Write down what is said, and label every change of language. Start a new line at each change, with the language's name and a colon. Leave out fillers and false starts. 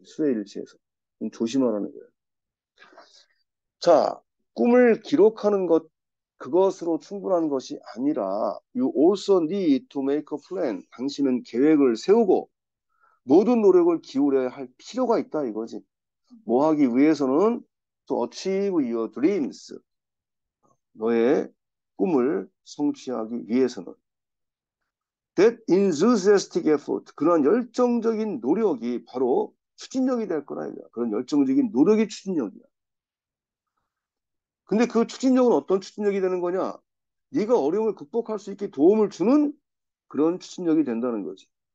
Korean: 수의일치에서. 조심하라는 거예요. 자, 꿈을 기록하는 것, 그것으로 충분한 것이 아니라
English: you also need to make a plan.
Korean: 당신은 계획을 세우고 모든 노력을 기울여야 할 필요가 있다 이거지. 뭐 하기 위해서는
English: to achieve your dreams.
Korean: 너의 꿈을 성취하기 위해서는
English: that enthusiastic effort.
Korean: 그런 열정적인 노력이 바로 추진력이 될 거라 이거야. 그런 열정적인 노력이 추진력이야. 근데 그 추진력은 어떤 추진력이 되는 거냐? 네가 어려움을 극복할 수 있게 도움을 주는 그런 추진력이 된다는 거지.